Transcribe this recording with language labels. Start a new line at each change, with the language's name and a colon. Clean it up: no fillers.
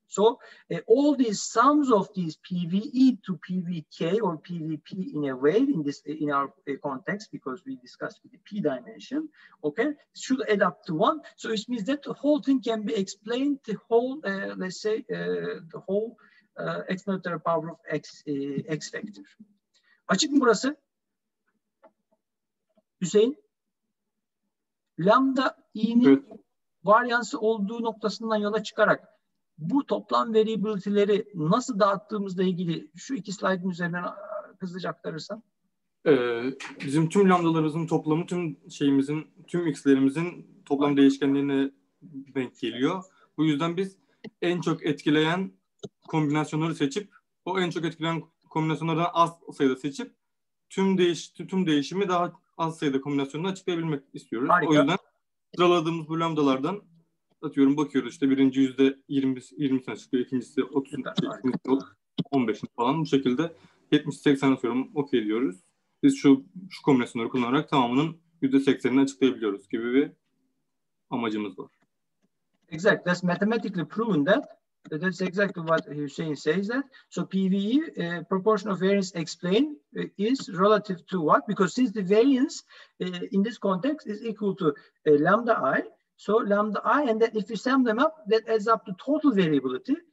English: So all these sums of these PVE to PVK or PVP in a way, in this in our context, because we discussed with the P dimension, okay, should add up to one. So it means that the whole thing can be explained, the whole, let's say, the whole explanatory power of X vector.
Turkish: Açık mı burası? Hüseyin, lambda i'nin varyansı olduğu noktasından yola çıkarak bu toplam variability'leri nasıl dağıttığımızla ilgili şu iki slide'ın üzerinden hızlıca aktarırsan. Bizim tüm lambdalarımızın toplamı tüm şeyimizin, tüm x'lerimizin toplam değişkenlerine denk geliyor. Bu yüzden biz en çok etkileyen kombinasyonları seçip, o en çok etkileyen kombinasyonlardan az sayıda seçip tüm değişimi daha az sayıda kombinasyonunu açıklayabilmek istiyoruz. Harika. O yüzden sıraladığımız bu lambdalardan atıyorum bakıyoruz işte birinci %20'sini açıklıyor, ikincisi 30'sini, 15'ini falan bu şekilde 70-80'ini atıyorum okey diyoruz. Biz şu kombinasyonları kullanarak tamamının %80'ini açıklayabiliyoruz gibi bir amacımız var.
English: Exactly, that's mathematically proven that. That's exactly what Hussein says that. So PVE, proportion of variance explained, is relative to what? Because since the variance in this context is equal to lambda I, so lambda I, and then if you sum them up, that adds up to total variability.